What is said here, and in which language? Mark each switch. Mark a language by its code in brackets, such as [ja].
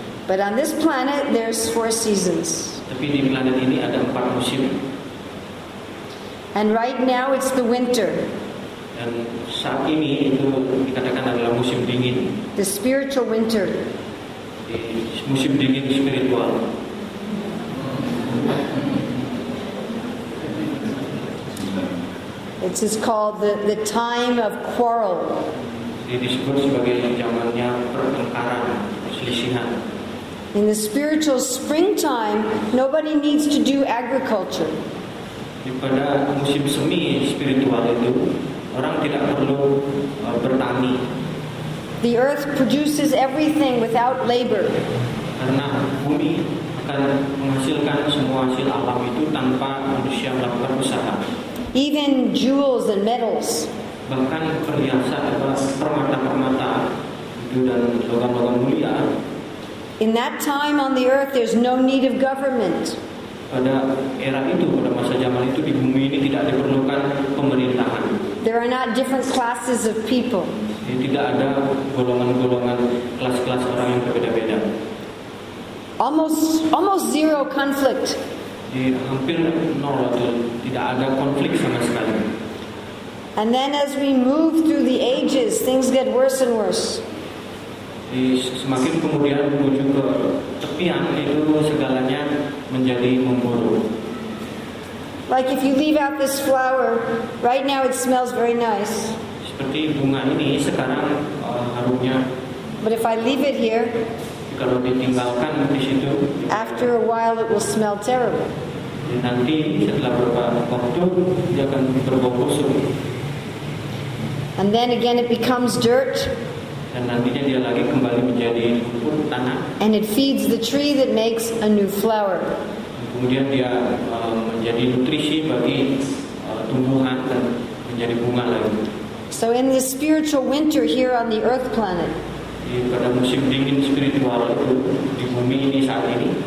[en] But on this planet, there's four seasons. [id] Tapi di planet ini ada empat musim. [en] And right now, it's the winter. [id] Dan saat ini itu dikatakan adalah musim dingin. [en] The spiritual winter. [id] Musim dingin spiritual. [en] It's called the time of quarrel. [id] Ini disebut sebagai zamannya pertengkaran, perselisihan. [en] In the spiritual springtime, nobody needs to do agriculture. [id] Di pada musim semi spiritual itu, orang tidak perlu bertani. [en] The earth produces everything without labor. [id] Karena bumi akan menghasilkan semua hasil alam itu tanpa manusia melakukan usaha. [en] Even jewels and metals. [id] Bahkan perhiasan atau permata-permata itu dan logam-logam mulia. [en] In that time on the earth, there's no need of government. [id] Pada era itu, pada masa zaman itu di bumi ini tidak diperlukan pemerintahan. [en] There are not different classes of people. [id] Jadi tidak ada golongan-golongan, kelas-kelas orang yang berbeda-beda. [en] Almost zero conflict. [id] Di hampir nol atau tidak ada konflik sama sekali. [en] And then as we move through the ages, things get worse and worse. [id] Di semakin kemudian menuju ke tepian itu segalanya menjadi memburuk. [en] Like if you leave out this flower, right now it smells very nice. [id] Seperti bunga ini sekarang harumnya. [en] But if I leave it here, [id] kalau ditinggalkan di situ, [en] after a while it will smell terrible. [id] Nanti setelah beberapa waktu dia akan berbau busuk. [en] And then again it becomes dirt. [id] Dan nantinya dia lagi kembali menjadi lumpur tanah. [en] And it feeds the tree that makes a new flower. [id] Kemudian dia menjadi nutrisi bagi tumbuhan dan menjadi bunga lagi. [en] So in this spiritual winter here on the earth planet, [id] pada musim dingin spiritual itu di bumi ini saat ini,